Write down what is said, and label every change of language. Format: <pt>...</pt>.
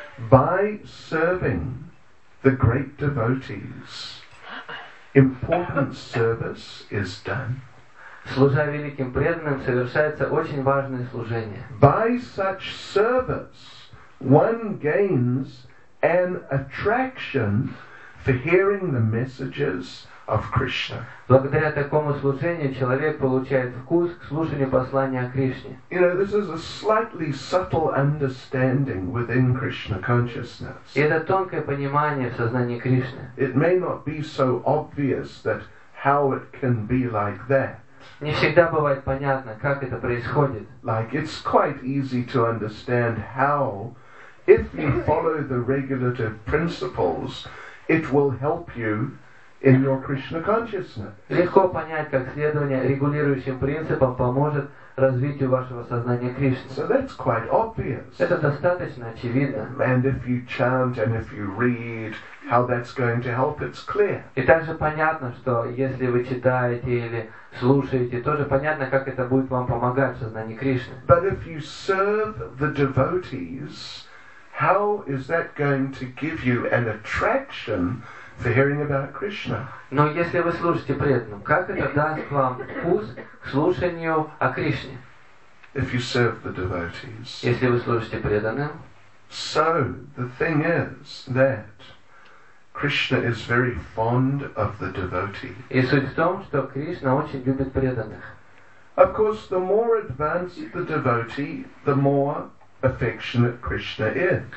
<en>By serving the great devotees, important service is done.</en> <ru>Служа великим преданным, совершается очень важное служение.</ru> <en>By such service, one gains an attraction for hearing the messages of Krishna.</en> <ru>Благодаря такому служению человек получает вкус к слушанию послания о Кришне.</ru> <en>You know, this is a slightly subtle understanding within Krishna consciousness.</en> <ru>И это тонкое понимание в сознании Кришны.</ru> <en>It may not be so obvious that how it can be like that.</en> <ru>Не всегда бывает понятно, как это происходит.</ru> <en>Like it's quite easy to understand how, if you follow the regulative principles, it will help you in your Krishna consciousness.</en> <ru>Легко понять, как следование регулирующим принципам поможет развитию вашего сознания Кришны.</ru> <en>So that's quite obvious.</en> <ru>Это достаточно очевидно.</ru> <en>And if you chant and if you read, how that's going to help, it's clear.</en> <ru>И также понятно, что если вы читаете или слушаете, тоже понятно, как это будет вам помогать в сознании Кришны.</ru> <en>But if you serve the devotees, how is that going to give you an attraction for hearing about Krishna?</en> <ru>Но если вы слушаете преданным, как это даст вам вкус к слушанию о Кришне?</ru> <en>If you serve the devotees.</en> <ru>Если вы слушаете преданным.</ru> <en>So the thing is that Krishna is very fond of the devotee.</en> <ru>И суть в том, что Кришна очень любит преданных.</ru> <en>Of course, the more advanced the devotee, the more affectionate Krishna is.</en>